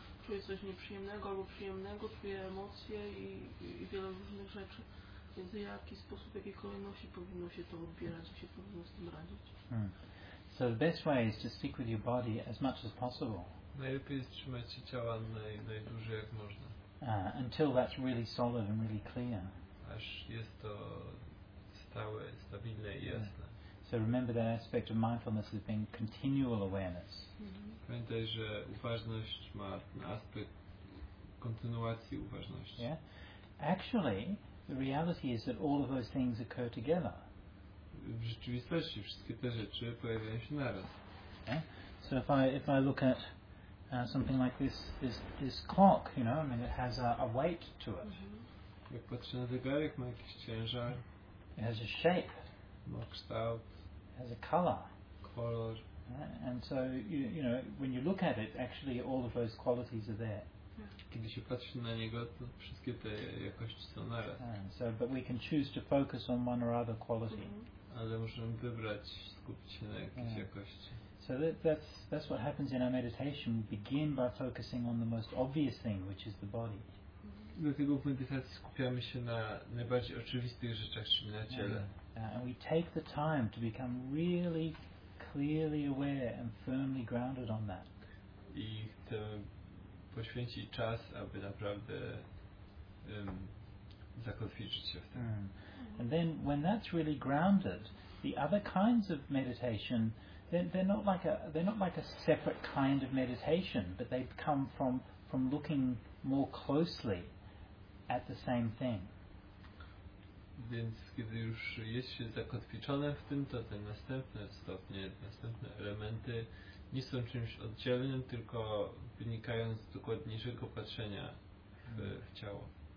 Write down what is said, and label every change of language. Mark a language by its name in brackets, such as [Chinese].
[Polish] czuję coś nieprzyjemnego albo przyjemnego, czuję emocje i wiele różnych rzeczy. Więc w jaki sposób, w jakiej kolejności powinno się to odbierać, jak się powinno z tym radzić? [English] So the best way is to stick with your body as much as possible. [Polish] Najlepiej jest trzymać się ciała najdłużej jak można. [English] Until that's really solid and really clear. [Polish] Aż jest to stałe, stabilne i jasne. [English] So remember that aspect of mindfulness is being continual awareness. [Polish] Pamiętaj, że uważność ma aspekt kontynuacji uważności. [English] Yeah? Actually, the reality is that all of those things occur together. [Polish] W rzeczywistości wszystkie te rzeczy pojawiają się naraz. [English] Yeah? So if I look at something like this clock, you know, I mean, it has a weight to it. [Polish] Jak patrzę na zegarek, ma jakiś ciężar. [English] It has a shape. [Polish] Ma kształt. [English] It has a color. [Polish] Kolor. [English] And so you know, when you look at it, actually all of those qualities are there. [Polish] Kiedy się patrzy na niego, to wszystkie te jakości są naraz. [English] So, but we can choose to focus on one or other quality. [Polish] Ale możemy wybrać, skupić się na jakiejś jakości. [English] So that's what happens in our meditation. We begin by focusing on the most obvious thing, which is the body. [Polish] Dlatego w medytacji skupiamy się na najbardziej oczywistych rzeczach, czyli na ciele. [English] And we take the time to become really clearly aware and firmly grounded on that. [Polish] I chcemy poświęcić czas, aby naprawdę zakotwiczyć się w tym. [English] And then when that's really grounded, the other kinds of meditation, they're not like a separate kind of meditation, but they come from looking more closely at the same thing. [Polish] Więc kiedy już jest się zakotwiczone w tym, to te następne stopnie, następne elementy nie są czymś oddzielnym, tylko wynikają z dokładniejszego patrzenia w ciało.